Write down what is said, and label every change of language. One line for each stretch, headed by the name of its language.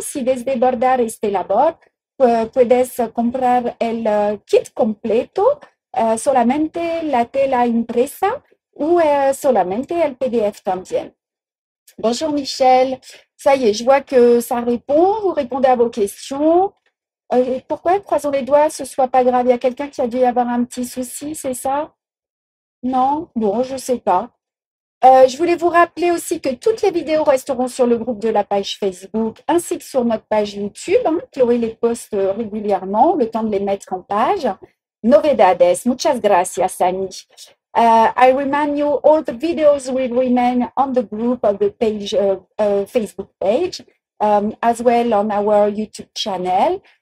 Spanish: Si desde bordar este labor, puedes comprar el kit completo, solamente la tela impresa ou solamente el PDF también.
French: Bonjour Michel, ça y est, je vois que ça répond, vous répondez à vos questions. Pourquoi, croisons les doigts, ce ne soit pas grave, il y a quelqu'un qui a dû y avoir un petit souci, c'est ça? Non? Bon, je ne sais pas. Je voulais vous rappeler aussi que toutes les vidéos resteront sur le groupe de la page Facebook, ainsi que sur notre page YouTube, hein. Chloé les poste régulièrement, le temps de les mettre en page.
Spanish: Novedades, muchas gracias, Sani.
English: I remind you, all the videos will remain on the group of the page, Facebook page, as well on our YouTube channel.